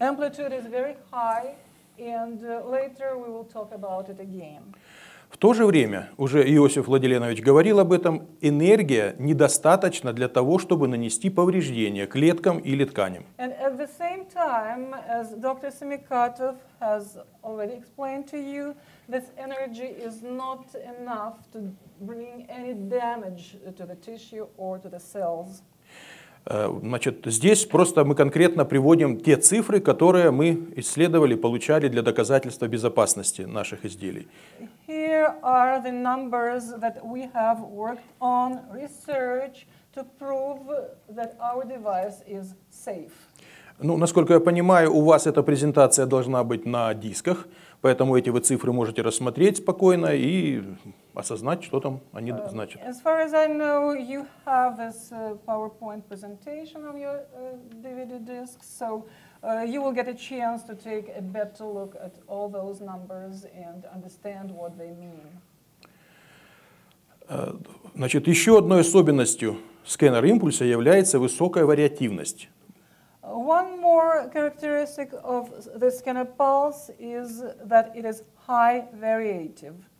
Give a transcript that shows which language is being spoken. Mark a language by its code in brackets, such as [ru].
[en] Amplitude is very high, and later we will talk about it again. [ru] В то же время, уже Иосиф Владиленович говорил об этом, энергия недостаточна для того, чтобы нанести повреждения клеткам или тканям. [en] And at the same time, as Dr. Semikhatov has already explained to you, this energy is not enough to bring any damage to the tissue or to the cells. [ru] Значит, здесь просто мы конкретно приводим те цифры, которые мы исследовали, получали для доказательства безопасности наших изделий. [en] Here are the numbers that we have worked on research to prove that our device is safe. [ru] Ну, насколько я понимаю, у вас эта презентация должна быть на дисках, поэтому эти вы цифры можете рассмотреть спокойно и осознать, что там они значат. [en] As far as I know, you have this PowerPoint presentation on your DVD disc, so you will get a chance to take a better look at all those numbers and understand what they mean. [ru] Значит, еще одной особенностью сканера импульса является высокая вариативность. [en] One more characteristic of the scanner pulse is that it is high variative.